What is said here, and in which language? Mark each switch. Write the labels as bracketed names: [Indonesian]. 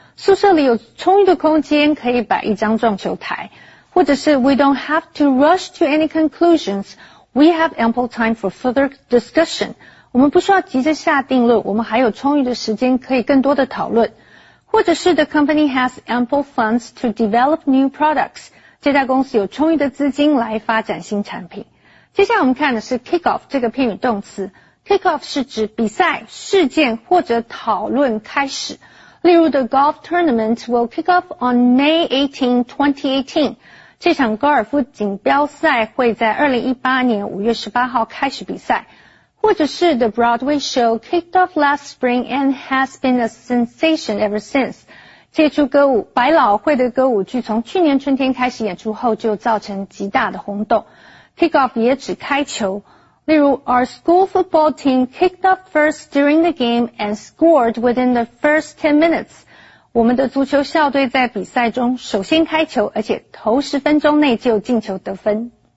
[Chinese] 宿舍里有充裕的空间可以摆一张撞球台。或者是 [English] ,we don't have to rush to any conclusions. We have ample time for further discussion. [Chinese] 我们不需要急着下定论，我们还有充裕的时间可以更多的讨论。或者是 [English] the company has ample funds to develop new products. [Chinese] 这家公司有充裕的资金来发展新产品。接下来我们看的是 kick off 这个片语动词。kick off 是指比赛、事件或者讨论开始。例如 [English] the golf tournament will kick off on May 18, 2018. [Chinese] 这场高尔夫锦标赛会在2018年5月18号开始比赛。或者是 [English] The Broadway show kicked off last spring and has been a sensation ever since. [Chinese] 这出歌舞百老汇的歌舞剧从去年春天开始演出后就造成极大的轰动。 Kick off 也指开球。例如 [English] Our school football team kicked off first during the game and scored within the first 10 minutes. [Chinese] 我们的足球校队在比赛中首先开球，而且头十分钟内就进球得分。